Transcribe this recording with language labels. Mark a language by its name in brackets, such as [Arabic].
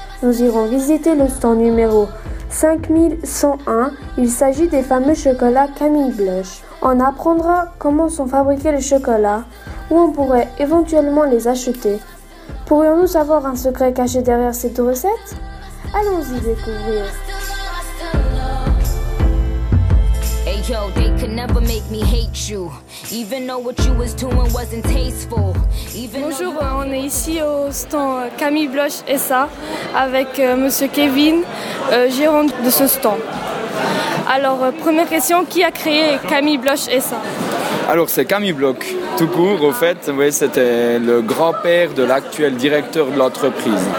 [French] Nous irons visiter le stand numéro 5101. Il s'agit des fameux chocolats Camille Blush. On apprendra comment sont fabriqués les chocolats, où on pourrait éventuellement les acheter. Pourrions-nous savoir un secret caché derrière cette recette? Allons-y découvrir. [English] Hey yo, they could never make me hate you. Even though what you was doing wasn't tasteful. [French] Bonjour, on est ici au stand Camille Blush SA avec monsieur Kevin, gérant de ce stand. Alors, première question, qui a créé Camille Blush SA? Alors, c'est Camille Bloch, tout court, au fait. Oui, c'était le grand-père de l'actuel directeur de l'entreprise.